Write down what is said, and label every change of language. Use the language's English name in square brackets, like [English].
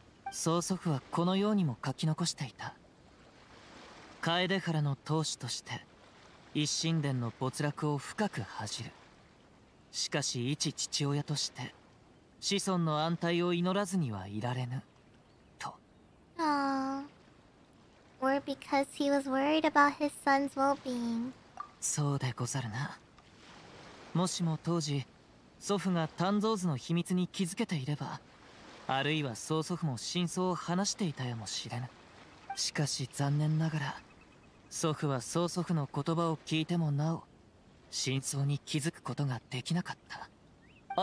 [Japanese] 曹祖父はこのようにも書き残していた。楓原の当主として一神殿の没落を深く恥じる。しかし一父親として子孫の安泰を祈らずにはいられぬと。 [English] あー、Or because he was worried about his son's well-being. [Japanese] そうでござるな。もしも当時、祖父が丹蔵図の秘密に気づけていれば、あるいは曹祖父も真相を話していたやもしれぬ。しかし残念ながら、祖父は曹祖父の言葉を聞いてもなお、真相に気づくことができなかった。